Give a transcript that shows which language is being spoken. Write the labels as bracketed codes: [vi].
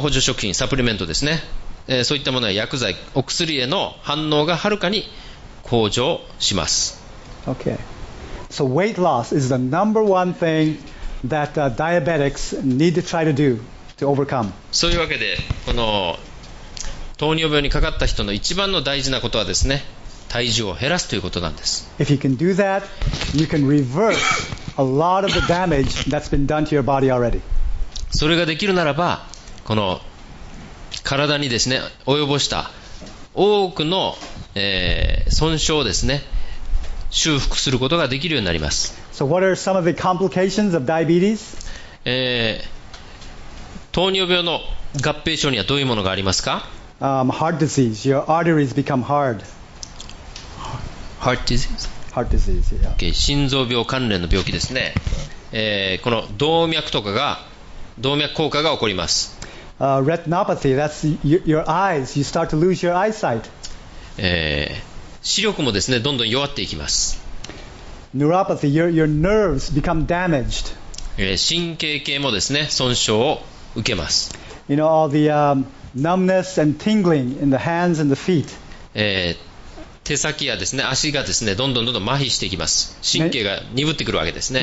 [ja] 補助食品、サプリメントですね、そういったものや薬剤、お薬への反応がはるかに向上します。 [en] Okay. So weight loss is the number one thing that diabetics need to try to do to overcome. [ja] そういうわけで、この糖尿病にかかった人の一番の大事なことはですね、体重を減らすということなんです。 [en] If you can do that, you can reverse a lot of the damage that's been done to your body already. [ja] それができるならば、この体にですね、及ぼした多くの、損傷をですね、修復することができるようになります。 [en] So what are some of the complications of diabetes? [ja] 糖尿病の合併症にはどういうものがありますか？ [en] Heart disease. Your arteries become hard. Heart disease. Heart disease. Yeah. Okay. [ja] 心臓病関連の病気ですね。この動脈とかが、動脈硬化が起こります。 [en] Retinopathy. That's your eyes. You start to lose your eyesight. [ja] 視力もですね、どんどん弱っていきます。 [en] Neuropathy. Your nerves become damaged. [ja] 神経系もですね、損傷を受けます。 [en] You know all the numbness and tingling in the hands and the feet. [ja] 手先やですね、足がですね、どんどん麻痺していきます。神経が鈍ってくるわけですね。